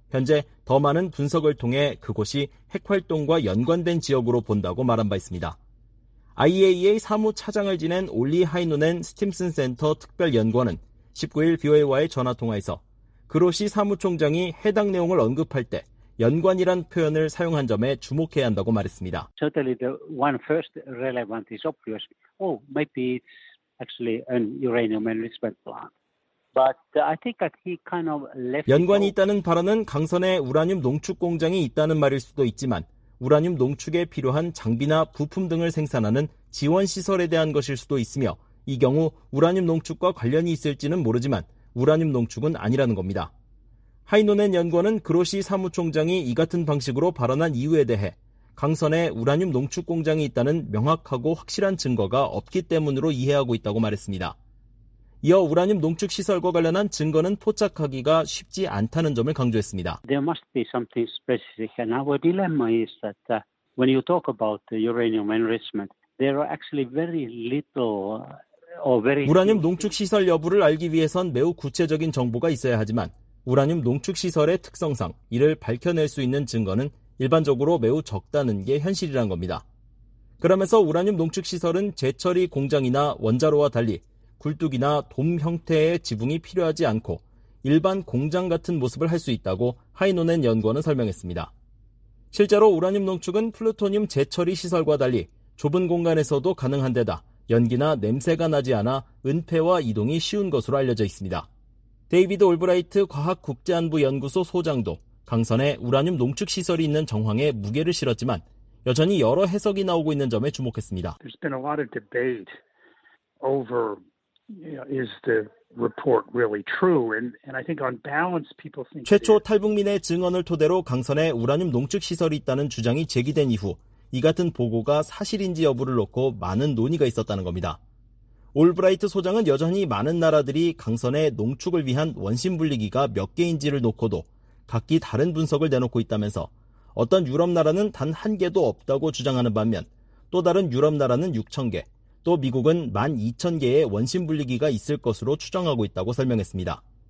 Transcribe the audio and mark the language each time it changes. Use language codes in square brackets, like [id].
[ko] 현재 더 많은 분석을 통해 그곳이 핵활동과 연관된 지역으로 본다고 말한 바 있습니다. IAEA 사무차장을 지낸 올리 하이노넨 스팀슨 센터 특별연구원은 19일 VOA와의 전화통화에서 그로시 사무총장이 해당 내용을 언급할 때 연관이란 표현을 사용한 점에 주목해야 한다고 말했습니다. [en] Certainly the one first relevant is obvious. Oh, maybe it's actually an uranium enrichment plant. But I think that he kind of left. [ko] 연관이 있다는 발언은 강선에 우라늄 농축 공장이 있다는 말일 수도 있지만 우라늄 농축에 필요한 장비나 부품 등을 생산하는 지원 시설에 대한 것일 수도 있으며 이 경우 우라늄 농축과 관련이 있을지는 모르지만 우라늄 농축은 아니라는 겁니다. 하이노넨 연구원은 그로시 사무총장이 이 같은 방식으로 발언한 이유에 대해 강선에 우라늄 농축 공장이 있다는 명확하고 확실한 증거가 없기 때문으로 이해하고 있다고 말했습니다. 이어 우라늄 농축 시설과 관련한 증거는 포착하기가 쉽지 않다는 점을 강조했습니다. [en] There must be something specific, and our dilemma is that when you talk about uranium enrichment, there are actually very little or very. [ko] 우라늄 농축 시설 여부를 알기 위해선 매우 구체적인 정보가 있어야 하지만 우라늄 농축 시설의 특성상 이를 밝혀낼 수 있는 증거는 일반적으로 매우 적다는 게 현실이란 겁니다. 그러면서 우라늄 농축 시설은 재처리 공장이나 원자로와 달리 굴뚝이나 돔 형태의 지붕이 필요하지 않고 일반 공장 같은 모습을 할 수 있다고 하이노넨 연구원은 설명했습니다. 실제로 우라늄 농축은 플루토늄 재처리 시설과 달리 좁은 공간에서도 가능한 데다 연기나 냄새가 나지 않아 은폐와 이동이 쉬운 것으로 알려져 있습니다. 데이비드 올브라이트 과학국제안보연구소 소장도 강선에 우라늄 농축 시설이 있는 정황에 무게를 실었지만 여전히 여러 해석이 나오고 있는 점에 주목했습니다. [en] There's been a lot of debate over is the report really true? And I think on balance people think [ko] 최초 탈북민의 증언을 토대로 강선에 우라늄 농축 시설이 있다는 주장이 제기된 이후 이 같은 보고가 사실인지 여부를 놓고 많은 논의가 있었다는 겁니다. 올브라이트 소장은 여전히 많은 나라들이 강선에 농축을 위한 원심 분리기가 몇 개인지를 놓고도 각기 다른 분석을 내놓고 있다면서 어떤 유럽 나라는 단 한 개도 없다고 주장하는 반면 또 다른 유럽 나라는 6천 개, 또 미국은 1만 2천 개의 원심 분리기가 있을 것으로 추정하고 있다고 설명했습니다.